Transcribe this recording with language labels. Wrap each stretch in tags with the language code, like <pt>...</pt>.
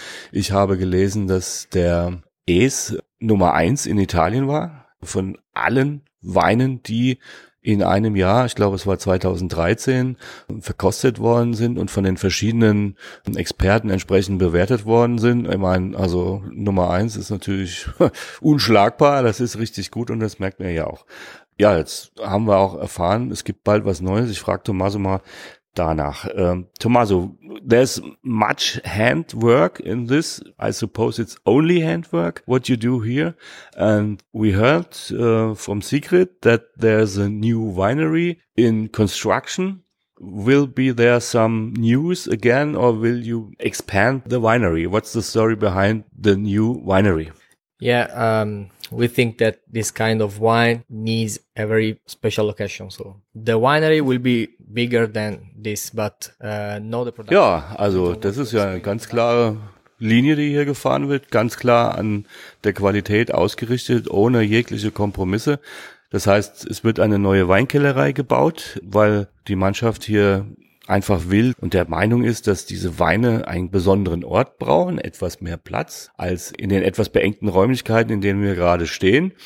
<de>Ich habe gelesen, dass der Es Nummer 1 in Italien war von allen Weinen, die in einem Jahr, ich glaube es war 2013, verkostet worden sind und von den verschiedenen Experten entsprechend bewertet worden sind. Ich meine, also Nummer 1 ist natürlich unschlagbar, das ist richtig gut und das merkt man ja auch. Ja, jetzt haben wir auch erfahren, es gibt bald was Neues. Ich frage Tommaso mal danach.</de> <en>Tommaso, there's much handwork in this. I suppose it's only handwork what you do here. And we heard from Sigrid that there's a new winery in construction. Will be there some news again or will you expand the winery? What's the story behind the new winery? Yeah, we think that this kind of wine needs a very special location. So the winery will be bigger than this, but not the production.</en> <de>Ja, also das ist ja eine ganz klare Linie, die hier gefahren wird, ganz klar an der Qualität ausgerichtet, ohne jegliche Kompromisse. Das heißt, es wird eine neue Weinkellerei gebaut, weil die Mannschaft hier einfach will und der Meinung ist, dass diese Weine einen besonderen Ort brauchen, etwas mehr Platz als in den etwas beengten Räumlichkeiten, in denen wir gerade stehen.</de>